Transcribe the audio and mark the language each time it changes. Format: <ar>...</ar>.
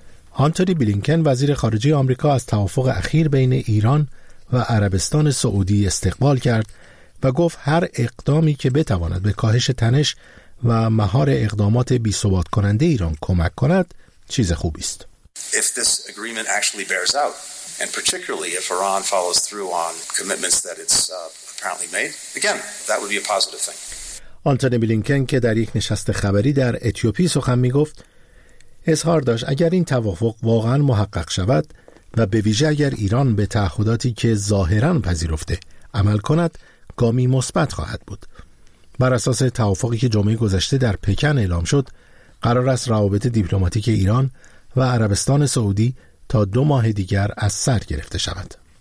<fa>آنتونی بلینکن وزیر خارجه آمریکا از توافق اخیر بین ایران و عربستان سعودی استقبال کرد و گفت هر اقدامی که بتواند به کاهش تنش و مهار اقدامات بی‌ثبات کننده ایران کمک کند چیز خوبی است.</fa> <en>If this agreement actually bears out and particularly if Iran follows through on commitments that it's apparently made again, that would be a positive thing.</en> <fa>آنتونی بلینکن که در یک نشست خبری در اتیوپی سخن می گفت اظهار داشت اگر این توافق واقعا محقق شود و به ویژه اگر ایران به تعهداتی که ظاهرا پذیرفته عمل کند گامی مثبت خواهد بود. بر اساس توافقی که جمعه گذشته در پکن اعلام شد قرار است روابط دیپلماتیک ایران و عربستان سعودی تا دو ماه دیگر از سر گرفته شود.</fa>